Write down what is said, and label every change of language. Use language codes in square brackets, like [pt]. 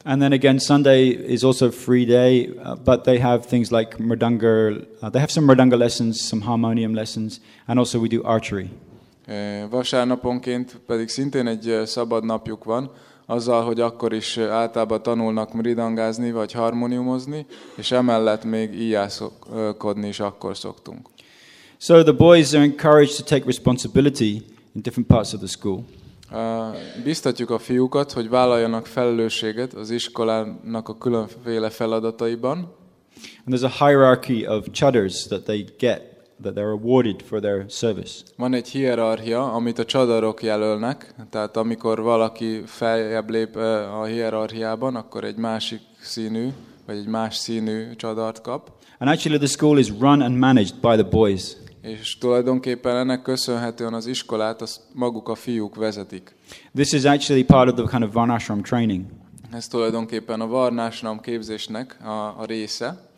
[en] And then again, Sunday is also a free day, but they have things like mridanga. They have some mridanga lessons, some harmonium lessons, and also we do archery. [hu] Vasárnaponként pedig szintén egy szabad napjuk van, azzal, hogy akkor is általában tanulnak mridangázni vagy harmoniumozni, és emellett még íjászkodni is akkor szoktunk. [en] So the boys are encouraged to take responsibility in different parts of the school. [hu] Biztatjuk a fiúkat, hogy vállaljanak felelősséget az iskolának a különféle feladataiban. [en] And there's a hierarchy of chadars that they get, that they're awarded for their service. [hu] Van egy hierarchia, amit a csadarok jelölnek, tehát amikor valaki feljebb lép a hierarchiában, akkor egy másik színű, vagy egy más színű csadart kap. [en] And actually the school is run and managed by the boys. [hu] És tulajdonképpen ennek köszönhetően az iskolát azt maguk a fiúk vezetik. [en] This is actually part of the kind of varnashram training. [hu] Ez tulajdonképpen a varnashram képzésnek a része.